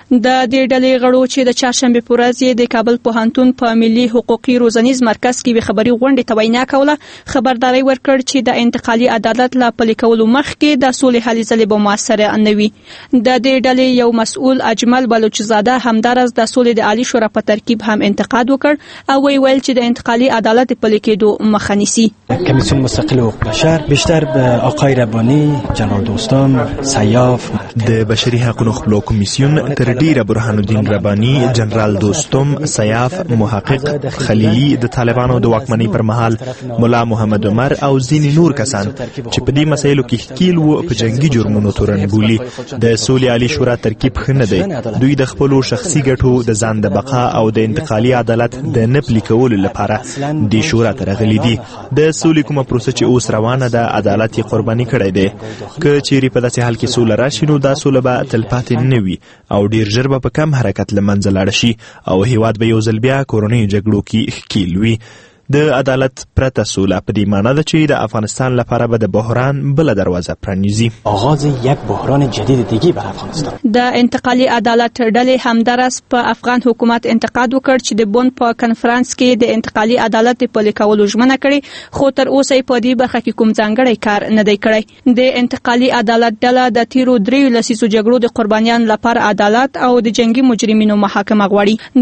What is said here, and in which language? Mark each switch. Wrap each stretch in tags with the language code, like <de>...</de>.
<ps>د دې ډلې غړو چې د چهارشنبه په ورځ د کابل پوهنتون په ملي حقوقي روزنیز مرکز کې خبري غونډه توینا کوله، خبرداري ورکړ چې د انتقالي عدالت له پلی کولو مخ کې د سولې حل ځلې به موثره نه وي. د دې ډلې یو مسؤل اجمل بلوچزاده همدارس د سولې د عالی شورا په ترکیب هم انتقاد وکړ او وی ویل چې د انتقالي عدالت پلي کېدو مخنیسي.</ps> <fa>کمیسیون مستقل حقوق بشر بیشتر به آقای ربانی، جنرال دوستان، سیاف،</fa> <ps>د بشری حقوقو کمیسیون تر ډیره برهان الدین ربانی، جنرال دوستم، سیاف، محقق خلیلی، د طالبانو د واکمنۍ پر مهال ملا محمد عمر او زین نور کسان چې په دې مسایلو کې ښکیل وو په جنگي جرمونو تورن بولی. د سولې عالی شورا ترکیب خنه دی، دوی د خپلو شخصي ګټو د ځان د بقا او د انتقالي عدالت د نه پلی کولو لپاره د شورا ته راغلي دي. د سولې کومه پروسه چې اوس روانه ده عدالت یې قرباني کړی دی. که چیرې په داسې حال کې سوله راشي نو دا سوله به تلپاتې نه وي او ډیر ژر به په کم حرکت له منځه لاړ شي او هیواد به یو ځل بیا کورنیو جګړو کې ښکیل وي. د عدالت پرته سوله په دې معنی ده چې د افغانستان لپاره به د بحران بله دروازه پرانیزي،</ps> <fa>آغاز یک بحران جدید دیگه بر افغانستان.</fa> <ps>د انتقالي عدالت ډلې همدارس په افغان حکومت انتقاد وکړ چې د بون په کانفرنس کې د انتقالي عدالت پلي کولو ژمنه کړې خو تر اوسه یې په دې برخه کې کوم ځانګړی کار نه دی کړی. د انتقالي عدالت ډله د تیرو درې لسیزو جګړو د قربانیان لپاره عدالت او د جنگي مجرمینو محاکمه غواړي.</ps>